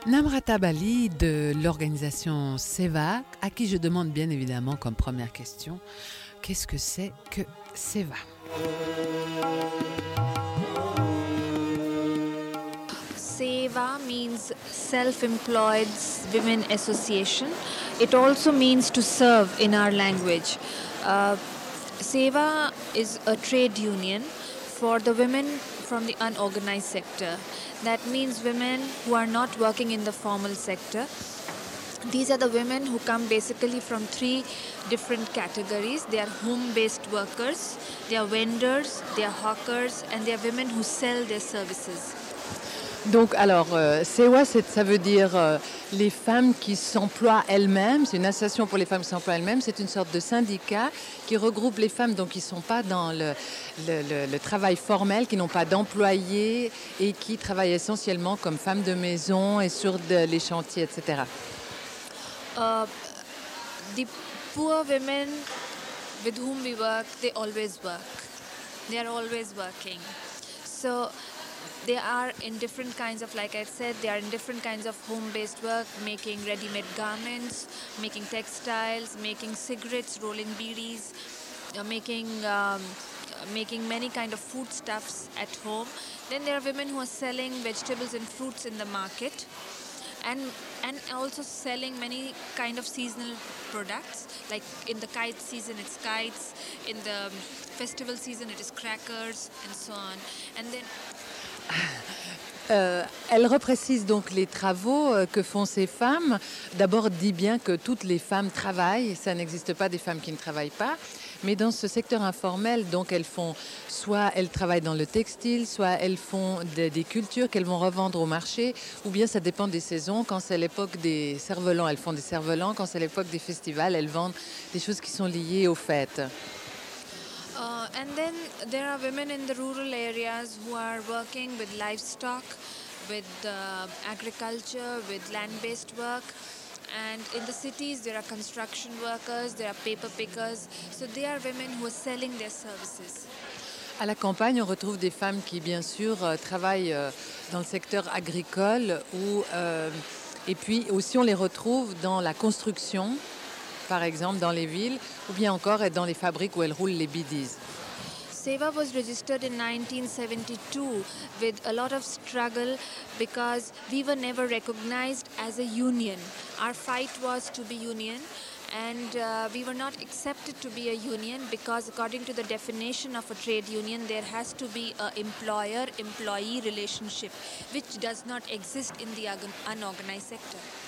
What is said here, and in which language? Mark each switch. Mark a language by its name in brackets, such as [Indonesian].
[French] Fata Bali de l'organisation SEVA, à qui je demande bien évidemment comme première question, qu'est-ce que c'est que SEVA ? [English] SEVA means Self-Employed Women Association. It also means to serve in our language. SEVA is a trade union for the women from the unorganized sector. That means women who are not working in the formal sector. These are the women who come basically from three different categories. They are home-based workers, they are vendors, they are hawkers, and they are women who sell their services. [French] Donc, alors, SEWA, ça veut dire les femmes qui s'emploient elles-mêmes. C'est une association pour les femmes qui s'emploient elles-mêmes. C'est une sorte de syndicat qui regroupe les femmes donc, qui ne sont pas dans le travail formel, qui n'ont pas d'employés et qui travaillent essentiellement comme femmes de maison et sur les chantiers, etc. [English] The poor women with whom we work, they always work. They are always working. So they are in different kinds of, like I said, they are in different kinds of home-based work, making ready-made garments, making textiles, making cigarettes, rolling beedies, making many kind of foodstuffs at home. Then there are women who are selling vegetables and fruits in the market, and also selling many kind of seasonal products, like in the kite season it's kites, in the festival season it is crackers and so on. And then [French] Elle reprécise donc les travaux que font ces femmes. D'abord, dit bien que toutes les femmes travaillent. Ça n'existe pas des femmes qui ne travaillent pas. Mais dans ce secteur informel, donc elles font soit elles travaillent dans le textile, soit elles font des cultures qu'elles vont revendre au marché. Ou bien ça dépend des saisons. Quand c'est l'époque des cervelans, elles font des cervelans. Quand c'est l'époque des festivals, elles vendent des choses qui sont liées aux fêtes. [English] And then there are women in the rural areas who are working with livestock, with agriculture, with land-based work. And in the cities, there are construction workers, there are paper pickers. So they are women who are selling their services. [French] À la campagne, on retrouve des femmes qui, bien sûr, travaillent dans le secteur agricole. Et puis aussi, on les retrouve dans la construction, par exemple dans les villes, ou bien encore dans les fabriques où elles roulent les bidis. [English] SEWA was registered in 1972 with a lot of struggle because we were never recognized as a union. Our fight was to be union and we were not accepted to be a union because according to the definition of a trade union, there has to be an employer-employee relationship which does not exist in the unorganized sector.